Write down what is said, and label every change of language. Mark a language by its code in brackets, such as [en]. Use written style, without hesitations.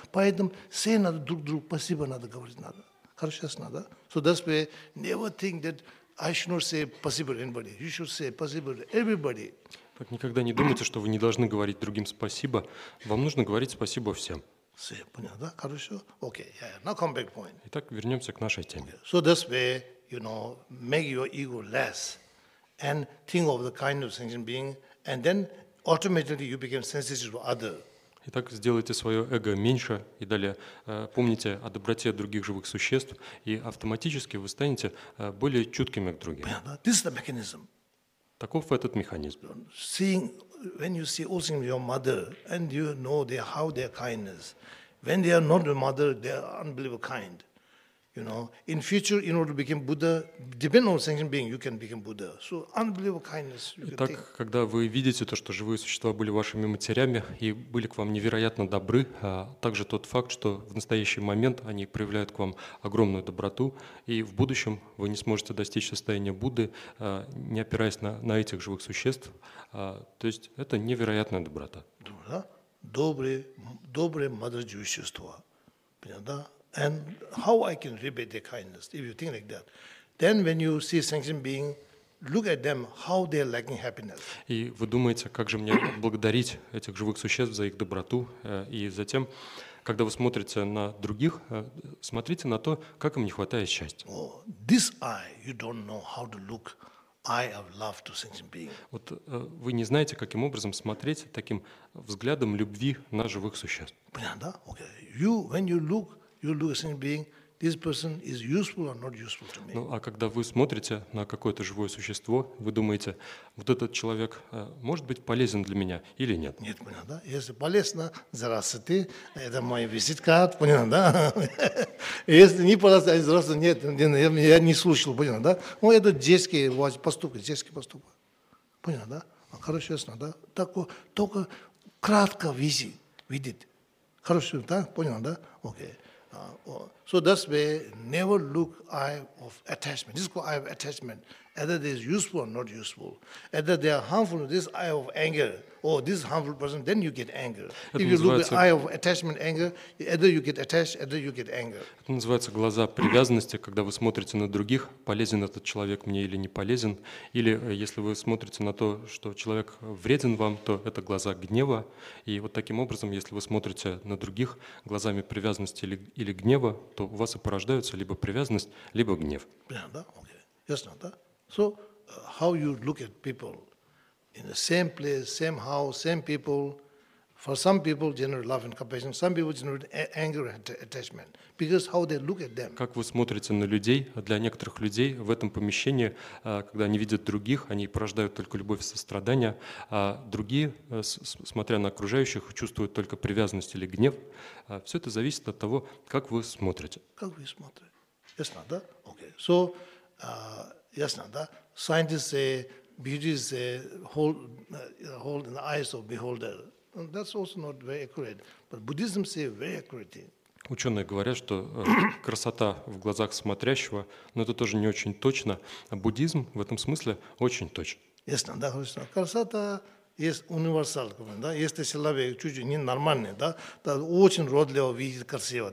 [ru] Поэтому все надо друг другу спасибо надо говорить надо. Хорошо, ясно, да? [en] So that's why never think that I should not say спасибо anybody. You should say спасибо everybody. [ru] Так никогда не думайте, что вы не должны говорить другим спасибо. Вам нужно говорить спасибо всем. Все, понял, да? Хорошо? Окей, [en] okay, yeah. Now come back point. [ru] Итак, вернемся к нашей теме. [en] Okay. So that's where, you know, make your ego less and think of the kind of sentient being and then automatically you become sensitive to other. [ru] Итак, сделайте свое эго меньше и далее помните о доброте других живых существ и автоматически вы станете более чуткими к другим. Понял, да? [en] This is the mechanism. [ru] Таков этот механизм. [en] Seeing when you see also your mother and you know they how their kindness. When they are not the mother, they are unbelievable kind. You know, in future, in order to become Buddha, depend on sentient being, you can become Buddha. So unbelievable kindness. [ru] Итак, когда вы видите то, что живые существа были вашими матерями и были к вам невероятно добры, также тот факт, что в настоящий момент они проявляют к вам огромную доброту, и в будущем вы не сможете достичь состояния Будды, не опираясь на этих живых существ. То есть это невероятная доброта. Да? Добрые матерные существа. Понятно, да? [en] And how I can repay their kindness, if you think like that. Then when you see sentient being, look at them, how they are lacking happiness. [ru] И вы думаете, как же мне благодарить этих живых существ за их доброту? И затем, когда вы смотрите на других, смотрите на то, как им не хватает счастья. [en] Oh, this eye, you don't know how to look I have love to sentient being. [ru] Вот вы не знаете, каким образом смотреть таким взглядом любви на живых существ. Понятно, да? Okay. [en] You, when you look at sentient being, this person is useful or not useful to me. [ru] Ну, а когда вы смотрите на какое-то живое существо, вы думаете, вот этот человек может быть полезен для меня или нет? Нет, понятно, да? Если полезно, здравствуйте, это моя визитка, понятно, да? Если не полезно, здравствуйте, нет, я не слушал, понятно, да? Ну, это детский поступок, понятно, да? Хорошо, ясно, да? Так, только кратко видит, хорошо, да? Понятно, да? Окей. [en] So that's where never look eye of attachment. This is called eye of attachment. Either they are useful or not useful. Either they are harmful. This eye of anger. Oh, this harmful person. Then you get anger. If you look the eye of attachment, anger. Either you get attached, either you get anger. [ru] Это называется глаза привязанности, когда вы смотрите на других, полезен этот человек мне или не полезен, или если вы смотрите на то, что человек вреден вам, то это глаза гнева. И вот таким образом, если вы смотрите на других глазами привязанности или гнева, то у вас и порождаются либо привязанность, либо гнев. Да, окей, ясно, да. [en] So, how you look at people in the same place, same house, same people? For some people, generate love and compassion. Some people generate anger and attachment because how they look at them. [ru] Как вы смотрите на людей? Для некоторых людей в этом помещении, когда они видят других, они порождают только любовь и сострадание, а другие, смотря на окружающих, чувствуют только привязанность или гнев. Все это зависит от того, как вы смотрите. Как вы смотрите? Ясно, да? Okay. So. Ясно, да? [en] Scientists say beauty is hold in the eyes of beholder. And that's also not very accurate. But Buddhism say very accurate. [ru] Ученые говорят, что красота в глазах смотрящего, но это тоже не очень точно. А буддизм в этом смысле очень точен. Ясно, да? Красота есть универсал, да? Если человек чуть-чуть ненормальный, да, то очень родливо видит красиво.